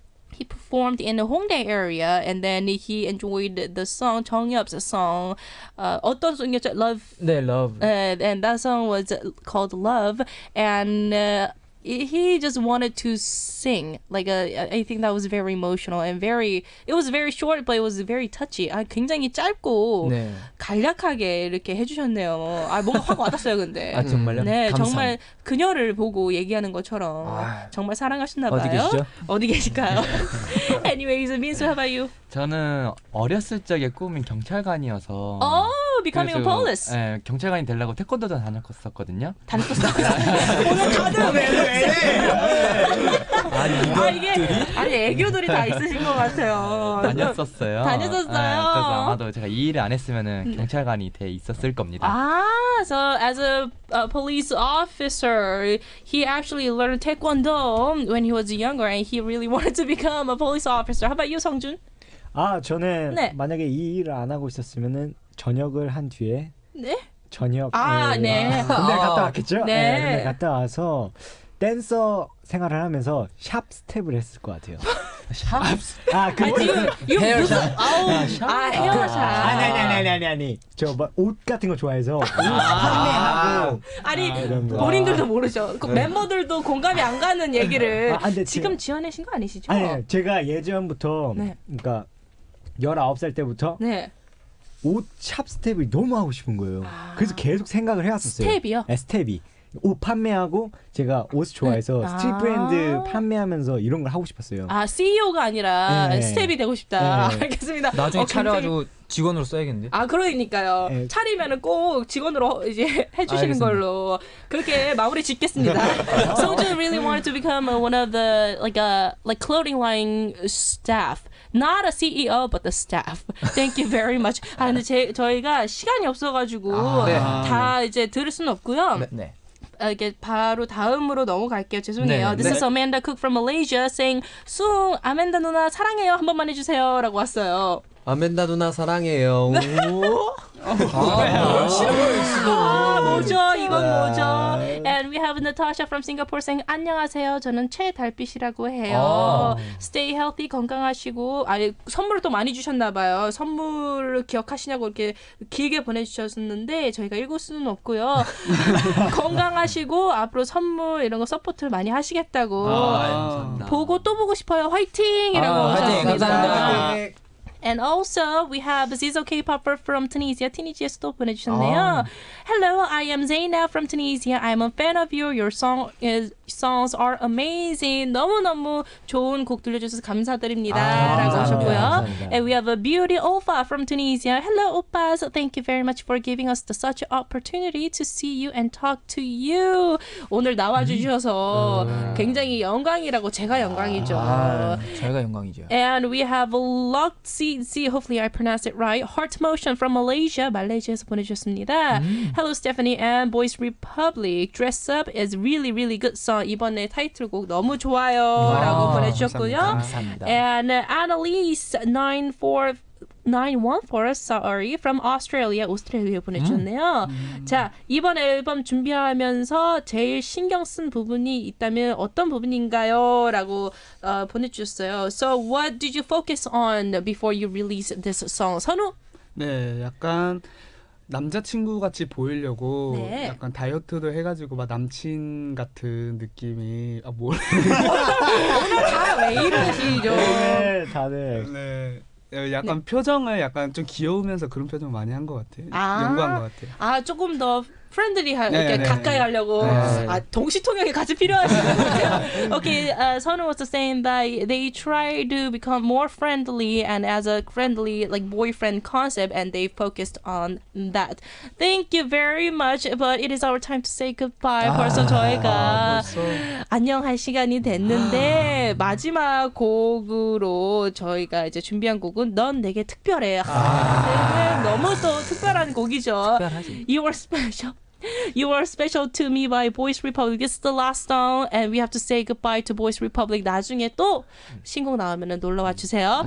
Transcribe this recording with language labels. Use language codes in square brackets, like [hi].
[en] He performed in the Hongdae area, and then he enjoyed the song, Chong Yeop's song. [ko] 어떤 송이었죠? Love. 네, Love. [en] And that song was called Love, and he just wanted to sing. Like, I think that was very emotional and very. It was very short, but it was very touchy. [ko] 아, 굉장히 짧고 네. 간략하게 이렇게 해주셨네요. 아, 뭔가 확 와닿았어요, 근데. 아, 정말요? 네, 감사합니다. 정말 그녀를 보고 얘기하는 것처럼 정말 사랑하셨나 봐요. 어디 계시죠? 어디 계실까요? [en] Anyways, Minsu, how about you? [ko] 저는 어렸을 적에 꿈이 경찰관이어서. [en] Oh! becoming 네, a police. [ko] 네, 경찰관이 되려고 태권도도 다녔었거든요. 다녔었어요. 오늘 다들 왜 아니 이것들이? 아니 애교들이 다 있으신 것 같아요. 다녔었어요. 네, 그래서 아마도 제가 이 일을 안 했으면은 경찰관이 돼 있었을 겁니다. [en] 아, so as a police officer, he actually learned taekwondo when he was younger, and he really wanted to become a police officer. How about you, Sungjun? [ko] 아, 저는 네. 만약에 이 일을 안 하고 있었으면은 전역을 한 뒤에 네? 전역 아, 네. 군대 갔다 왔겠죠? 네. 네. 군대 갔다 와서 댄서 생활을 하면서 샵 스텝을 했을 것 같아요. 샵? 아, 그 헤어샵. 아우, 아, 헤어샵. 아, 아니. 저 옷 같은 거 좋아해서 판매하고. 아니, 본인들도 모르죠. 그 멤버들도 공감이 안 가는 얘기를 아, 근데 지금 제, 지어내신 거 아니시죠? 아니, 제가 예전부터 네. 그러니까 19살 때부터 네. 옷 샵 스텝을 너무 하고 싶은 거예요. 아. 그래서 계속 생각을 해왔었어요. 스텝이요? 네, 스텝이. 옷 판매하고 제가 옷 좋아해서 네. 스트릿 브랜드 아~ 판매하면서 이런 걸 하고 싶었어요. 아 CEO가 아니라 네. 스텝이 되고 싶다. 네. 알겠습니다. 나중에 어, 차려가지고 굉장히... 직원으로 써야겠는데. 아 그러니까요. 네. 차리면은 꼭 직원으로 이제 해주시는 걸로 그렇게 마무리 짓겠습니다. [en] Sungjun really wanted to become one of the like a like clothing line staff. Not a CEO, but the staff. Thank you very much. [ko] 아 근데 제, 저희가 시간이 없어가지고 아, 네. 다 아, 네. 이제 들을 수는 없고요. 네. 네. 이렇게 바로 다음으로 넘어갈게요. 죄송해요. 네, [en] This 네. is Amanda Cook from Malaysia saying, "Sung, [ko] 아멘다 누나 사랑해요. 한 번만 해주세요."라고 왔어요. 아멘다 누나 사랑해요. 뭐죠? 이건 뭐죠? [en] And we have Natasha from Singapore saying, "안녕하세요. [ko] 저는 최달빛이라고 해요. 아. [en] Stay healthy, [ko] 건강하시고. 아니 선물을 또 많이 주셨나봐요. 선물을 기억하시냐고 이렇게 길게 보내주셨는데 저희가 읽을 수는 없고요. 건강하시고 앞으로 선물 이런 거 서포트를 많이 하시겠다고. 아, 보고 또 보고 싶어요. 화이팅!이라고 하셨습니다. 아, [en] And also, we have Zizo K-popper from Tunisia. Tunisia [ko] 또 보내주셨네요. [en] Hello, I am Zaina from Tunisia. I'm a fan of you. Your song is, songs are amazing. [ko] 너무너무 좋은 곡 들려주셔서 감사드립니다. 아, 라고 감사합니다. 하셨고요. 감사합니다. [en] And we have a beauty Opa from Tunisia. Hello, Opas. Thank you very much for giving us the such opportunity to see you and talk to you. [ko] 오늘 나와주셔서 굉장히 영광이라고 제가 영광이죠. 아, 저희가 영광이죠. [en] And we have locked See, hopefully I pronounce it right. Heart Motion from Malaysia. [ko] 말레이시아에서 보내주셨습니다. [en] Hello, Stephanie and Boys Republic. Dress Up is really, really good song. [ko] 이번에 타이틀곡 너무 좋아요. 와, 라고 보내주셨고요. 감사합니다. And Annalise 914 from Australia. 오스트레일리아 보내주셨네요. 자, 이번 앨범 준비하면서 제일 신경 쓴 부분이 있다면 어떤 부분인가요? 라고 보내주셨어요. [en] So what did you focus on before you release this song? [ko] 선우? 네, 약간 남자친구 같이 보이려고 네. 약간 다이어트도 해가지고 막 남친 같은 느낌이 아, 뭘 오늘 다 왜 이러시죠? 네, 다들 네. 약간 네. 표정을 약간 좀 귀여우면서 그런 표정 많이 한 것 같아요. 아~ 연구한 것 같아요. 아 조금 더 프렌들리 할 이렇게 네네네. 가까이 하려고 네네. 아 동시통역이 같이 필요하시네요. [en] okay, Sonu was saying that they try to become more friendly and as a friendly like boyfriend concept and they focused on that. Thank you very much, but it is our time to say goodbye. [ko] 아, 벌써 저희가 아, 벌써. 안녕할 시간이 됐는데 마지막 곡으로 저희가 이제 준비한 곡은 넌 내게 특별해. 아, 너무 또 특별한 곡이죠. 특별하지. [en] You are special. You are special to me by Boys Republic. This is the last song, and we have to say goodbye to Boys Republic. [ko] 나중에 또 신곡 나오면은 놀러 와주세요.